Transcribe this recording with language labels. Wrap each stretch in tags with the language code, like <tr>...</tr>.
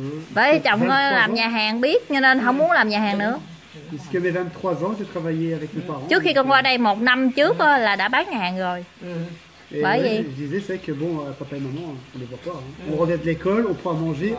<vi>Bah, chồng làm nhà hàng biết, cho nên không muốn làm nhà hàng nữa.</vi> <fr>Jusque mes 23 ans, j'ai travaillé avec mes parents.</fr> <vi>Trước khi con qua đây một năm trước là đã bán nhà hàng rồi.</vi> <fr>Et bah, je disais, c'est que bon, papa et maman, on les voit pas. Hein. On revient de l'école, on prend à manger,</fr>